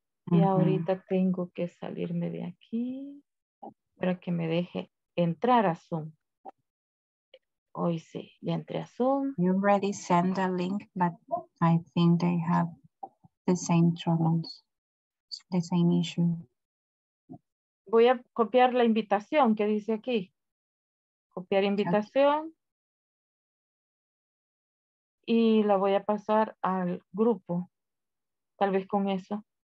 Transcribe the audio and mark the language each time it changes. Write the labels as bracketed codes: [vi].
[es] Y ahorita tengo que salirme de aquí para que me deje entrar a Zoom. Hoy sí, ya entré a Zoom. [en] You already sent a link, but I think they have the same troubles, the same issue. [es] Voy a copiar la invitación que dice aquí. Copiar invitación. Okay. Y la voy a pasar al grupo. Tal vez con eso.